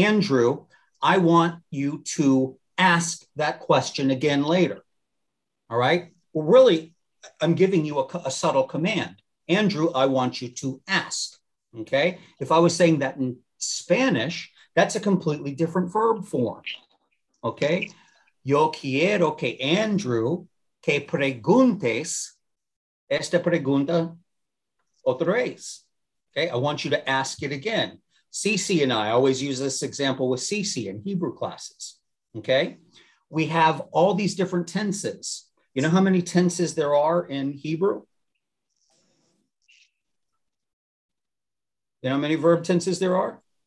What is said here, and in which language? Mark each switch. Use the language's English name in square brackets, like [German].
[English] Andrew, I want you to ask that question again later, all right? Well, really, I'm giving you a subtle command. Andrew, I want you to ask, okay? If I was saying that in Spanish, that's a completely different verb form, okay? [Spanish] Yo quiero que Andrew que preguntes esta pregunta otra vez, okay? [English] I want you to ask it again. Cece and I always use this example with Cece in Hebrew classes, okay? We have all these different tenses. You know how many tenses there are in Hebrew? You know how many verb tenses there are?